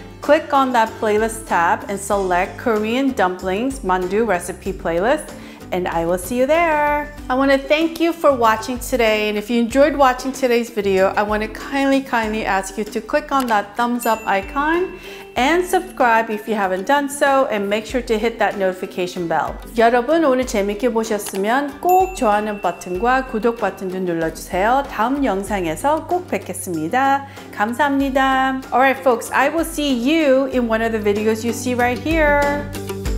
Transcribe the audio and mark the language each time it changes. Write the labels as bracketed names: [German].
[English] Click on that playlist tab and select Korean Dumplings Mandu Recipe Playlist, and I will see you there. I want to thank you for watching today, and if you enjoyed watching today's video, I want to kindly ask you to click on that thumbs up icon and subscribe if you haven't done so, and make sure to hit that notification bell. [Korean] 여러분, 오늘 재밌게 보셨으면 꼭 좋아하는 버튼과 구독 버튼도 눌러주세요. 다음 영상에서 꼭 뵙겠습니다. 감사합니다. [English] All right, folks, I will see you in one of the videos you see right here.